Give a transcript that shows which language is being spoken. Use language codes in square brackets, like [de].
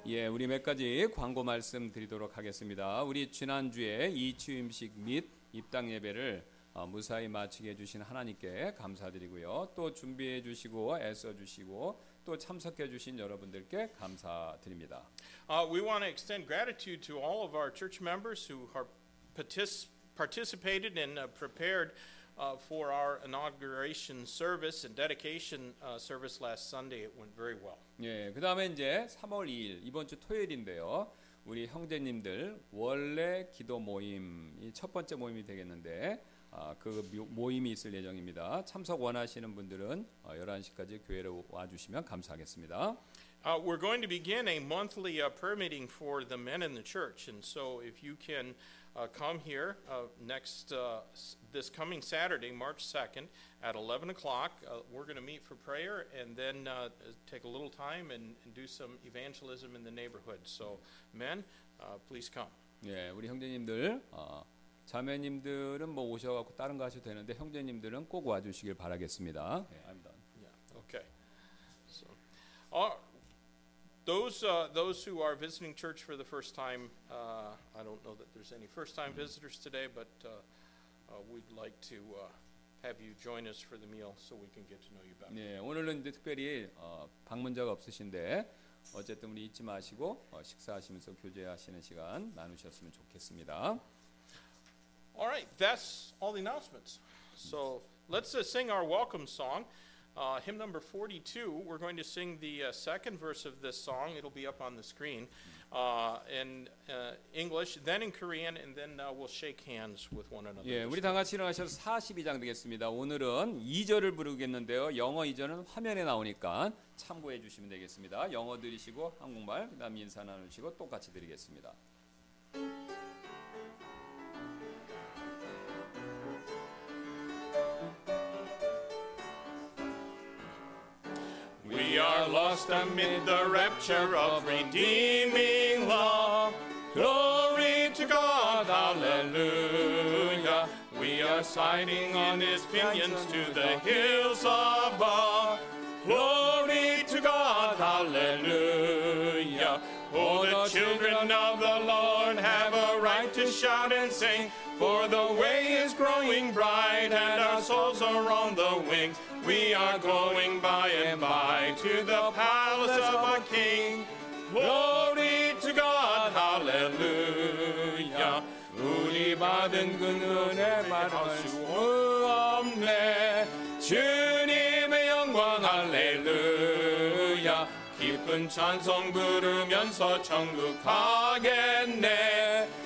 [ko] 예, 우리 몇 가지 광고 말씀 드리도록 하겠습니다. 우리 지난주에 이치음식 및 입당 예배를 무사히 마치게 해주신 하나님께 감사드리고요. 또 준비해 주시고 애써 주시고 또 참석해 주신 여러분들께 감사드립니다. [en] We want to extend gratitude to all of our church members who are participated and prepared for our inauguration service and dedication service last Sunday. It went very well. [ko] 예, 그다음에 이제 3월 2일 이번 주 토요일인데요. 우리 형제님들 원래 기도 모임이 첫 번째 모임이 되겠는데 그 모임이 있을 예정입니다. 참석 원하시는 분들은 11시까지 교회로 와 주시면 감사하겠습니다. [en] We're going to begin a monthly prayer meeting for the men in the church. And so if you can come here this coming Saturday, March 2nd at 11 o'clock, we're going to meet for prayer and then take a little time and do some evangelism in the neighborhood. So men, please come. [ko] 예, 우리 형제님들 자매님들은 뭐 오셔갖고 다른 거 하셔도 되는데 형제님들은 꼭 와주시길 바라겠습니다. [en] Yeah, I'm done. Yeah. Okay. So, those who are visiting church for the first time, I don't know that there's any first-time visitors today, but we'd like to have you join us for the meal so we can get to know you better. [ko] 네, 오늘은 이제 특별히 방문자가 없으신데 어쨌든 우리 잊지 마시고 식사하시면서 교제하시는 시간 나누셨으면 좋겠습니다. [en] All right, that's all the announcements. So let's sing our welcome song, hymn number 42. We're going to sing the second verse of this song. It'll be up on the screen in English, then in Korean, and then we'll shake hands with one another. [ko] 예, 우리 다 같이 일어나셔서 42장 되겠습니다. 오늘은 2절을 부르겠는데요. 영어 2절은 화면에 나오니까 참고해 주시면 되겠습니다. 영어 들으시고 한국말, 그 다음 인사 나누시고 똑같이 드리겠습니다. [en] We are lost amid the rapture of redeeming love. Glory to God, hallelujah. We are sighting on his pinions to the hills above. Glory to God, hallelujah. Oh, the children of the Lord have a right to shout and sing. For the way is growing bright and our souls are on the wings. We are going by and by to the palace of our King. Glory to God, hallelujah. [ko] 우리 받은 그 은혜 말할 수 없네. 주님의 영광, hallelujah. 깊은 찬송 부르면서 천국 가겠네.